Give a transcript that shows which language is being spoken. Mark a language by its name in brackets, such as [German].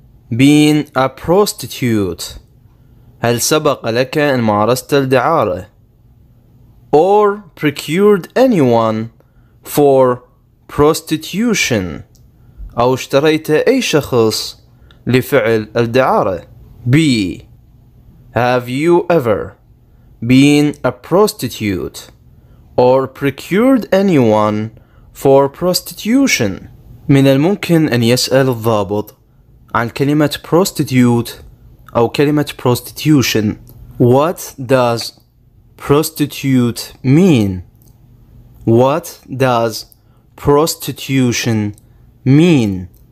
[English] Being a prostitute. [Arabic] هل سبق لك أن مارست الدعارة؟ [English] Or procured anyone for prostitution. [Arabic] أو اشتريت أي شخص لفعل الدعارة. [English] B. Have you ever been a prostitute or procured anyone for prostitution? [Arabic] من الممكن أن يسأل الضابط عن كلمة prostitute أو كلمة prostitution. [English] What does prostitute mean? What does prostitution mean?